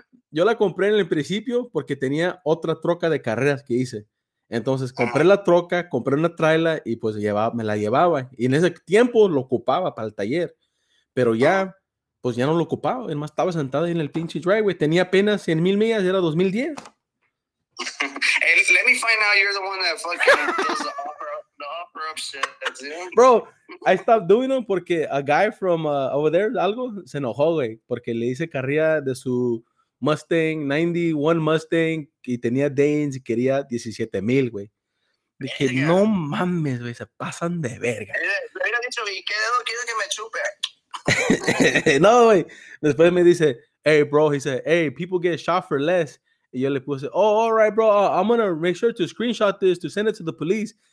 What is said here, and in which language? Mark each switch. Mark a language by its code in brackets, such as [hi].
[es] Yo la compré en el principio porque tenía otra troca de carreras que hice. Entonces compré la troca, compré una trailer y pues me la llevaba. Y en ese tiempo lo ocupaba para el taller. Pero ya. Pues ya no lo ocupaba, además estaba sentado ahí en el pinche driveway, tenía apenas 100,000 millas, era 2010. [en] Let me find out you're the one that fucking does the offer up shit, dude. [es] Bro, I stopped doing them porque a guy from over there, algo, se enojó, güey, porque le hice carrera de su Mustang, 91 Mustang, y tenía Danes y quería 17,000, güey. Dije, verga. No mames, güey, se pasan de verga. Le hubiera dicho, ¿y qué dedo quieres que me chupe? No, güey. Después me dice, hey, bro. [en] He said, hey, people get shot for less. Y yo le puse, oh, all right, bro. I'm gonna make sure to screenshot this to send it to the police.